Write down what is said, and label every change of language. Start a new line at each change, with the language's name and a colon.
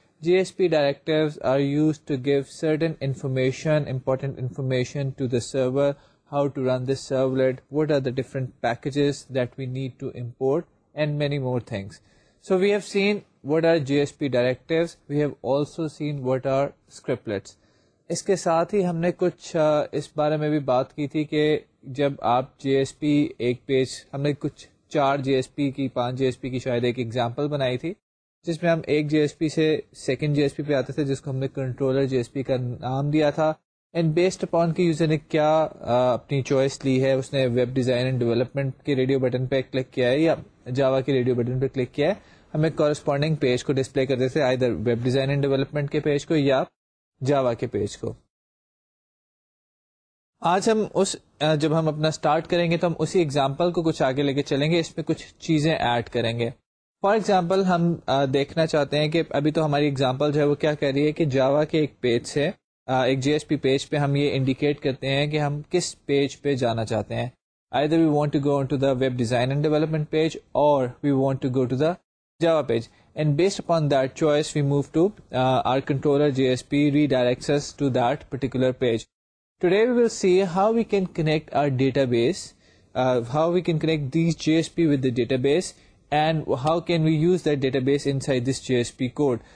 English: GSP directives are used to give certain information, important information to the server, how to run this servlet, what are the different packages that we need to import, and many more things. So we have seen what are GSP directives. We have also seen what are scriptlets.
Urdu: Iske saath hi humne kuch is baare mein bhi baat ki thi ke jab aap GSP ek page, humne kuch 4 GSP ki, 5 GSP ki shayad ek example banayi thi, جس میں ہم ایک جی S P سے second جی S P پہ آتے تھے, جس کو ہم نے کنٹرولر جی ایس پی کا نام دیا تھا. اینڈ بیسڈ اپون کہ یوزر نے کیا اپنی چوائس لی ہے, اس نے ویب ڈیزائن اینڈ ڈیولپمنٹ کے ریڈیو بٹن پہ کلک کیا ہے یا جاوا کے ریڈیو بٹن پہ کلک کیا ہے, ہمیں کورسپونڈنگ پیج کو ڈسپلے کرتے تھے, either web design and development کے پیج کو یا جاوا کے پیج کو. آج ہم اس جب ہم اپنا اسٹارٹ کریں گے تو ہم اسی ایگزامپل کو کچھ آگے لے کے چلیں گے, اس میں کچھ چیزیں ایڈ کریں گے. فار ایگزامپل ہم دیکھنا چاہتے ہیں کہ ابھی تو ہماری ایگزامپل جو ہے وہ کیا کہہ رہی ہے کہ جاوا کے ایک پیج سے ایک جی ایس پی پیج پہ ہم یہ انڈیکیٹ کرتے ہیں کہ ہم کس پیج پہ جانا چاہتے ہیں.
English: Either we want to go into the web design and development page or we want to go to the Java page. And based upon that choice we move to our controller GSP redirects us to that particular page. Today we will see how we can connect our database, how we can connect these GSP with the database and how can we use that database inside this GSP code.